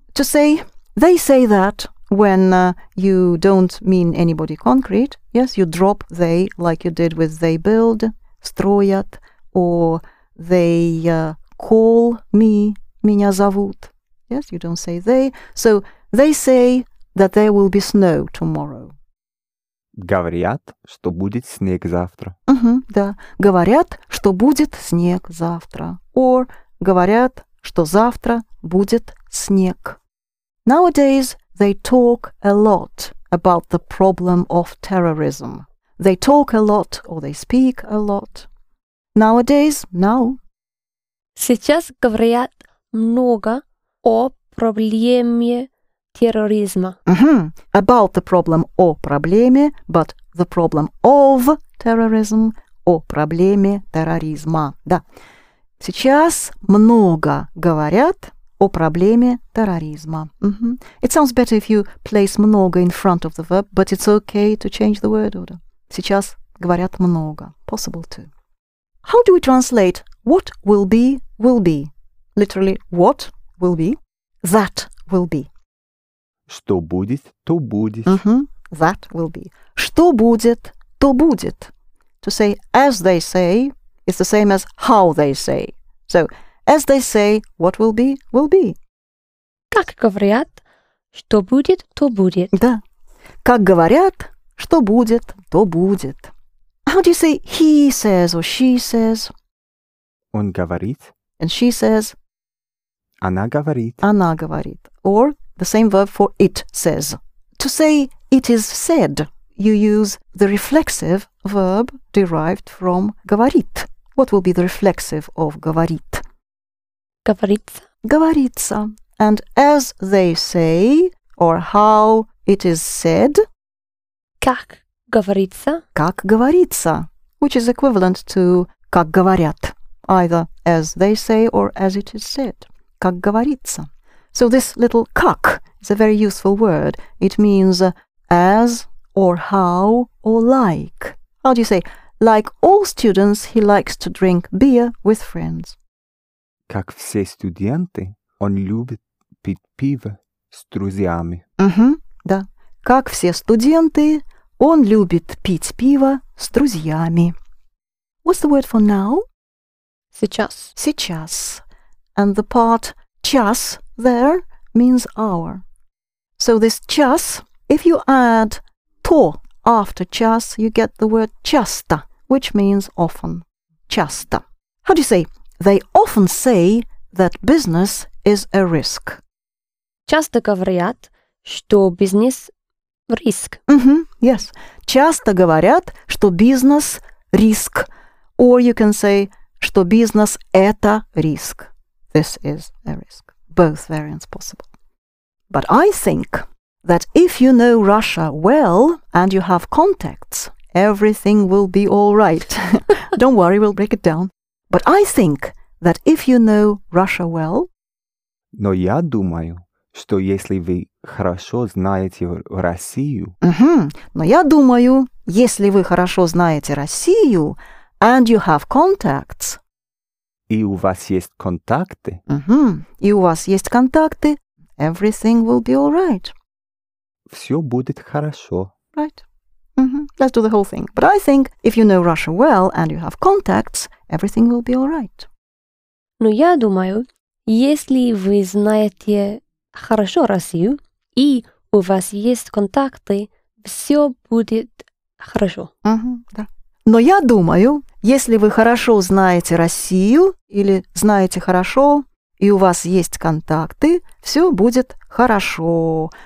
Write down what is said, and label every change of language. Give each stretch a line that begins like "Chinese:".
English: To say, they say that, when you don't mean anybody concrete, yes, you drop they, like you did with they build, строят, or they call me,
Russian: меня зовут.
English: Yes, you don't say they. So, they say that there will be snow tomorrow.
Russian: Говорят, что будет снег завтра. Uh-huh, да. Говорят, что будет снег завтра. Or, говорят, что завтра будет снег.
English: Nowadays, they talk a lot about the problem of terrorism. They talk a lot, or they speak a lot. Nowadays, now.
Russian: Сейчас говорят много о проблеме терроризма.
English: Mm-hmm. About the problem
Russian: о проблеме,
English: but the problem of terrorism,
Russian: о проблеме терроризма.
English: Да.
Russian: Сейчас много говорят о проблеме терроризма. Mm-hmm.
English: It sounds better if you place много in front of the verb, but it's okay to change the word order.
Russian: Сейчас говорят много.
English: Possible to. How do we translate what will be? Literally, what will be? That will be.
Russian: Что будет, то будет. Mm-hmm.
English: That will be.
Russian: Что будет, то будет.
English: To say as they say is the same as how they say. So, as they say, what will be, will be.
Russian: Как говорят, что будет, то будет. Да. Как говорят, что будет, то будет.
English: How do you say he says or she says?
Russian: Он говорит.
English: And she says.
Russian: Она говорит. Она говорит.
English: Or the same verb for it says. To say it is said, you use the reflexive verb derived from говорит. What will be the reflexive of говорит?
Russian: Говорится. Говорится.
English: And as they say, or how it is said.
Russian: Как говорится. Как говорится.
English: Which is equivalent to
Russian: как говорят.
English: Either as they say or as it is said.
Russian: Как говорится.
English: So this little как is a very useful word. It means as or how or like. How do you say? Like all students, he likes to drink beer with friends.
Russian: Как все студенты, он любит пить пиво с друзьями. Mm-hmm, да. Как все студенты, он любит пить пиво с друзьями.
English: What's the word for now?
Russian: Сейчас.
English: Сейчас. And the part час there means hour. So this час, if you add то after час, you get the word часто, which means often. Часто. How do you say? They often say that business is a risk.
Russian: Часто говорят, что бизнес – риск.
English: Mm-hmm, yes.
Russian: Часто говорят, что бизнес – риск.
English: Or you can say,
Russian: что бизнес – это риск.
English: This is a risk. Both variants possible. But I think that if you know Russia well and you have contacts, everything will be all right. Don't worry, we'll break it down. But I think that if you know Russia well...
Russian: Но я думаю, что если вы хорошо знаете Россию... Mm-hmm. Но я думаю, если вы хорошо знаете Россию,
English: and you have contacts...
Russian: И у вас есть контакты... Mm-hmm. И у вас есть контакты,
English: everything will be all right.
Russian: Все будет хорошо.
English: Right. Mm-hmm. Let's do the whole thing. But I think if you know Russia well and you have contacts, everything will be all right.
Russian: Но я думаю, если вы знаете хорошо Россию и у вас есть контакты, все будет хорошо. Mm-hmm, да. Но я думаю, если вы хорошо знаете Россию или знаете хорошо и у вас есть контакты, все будет хорошо.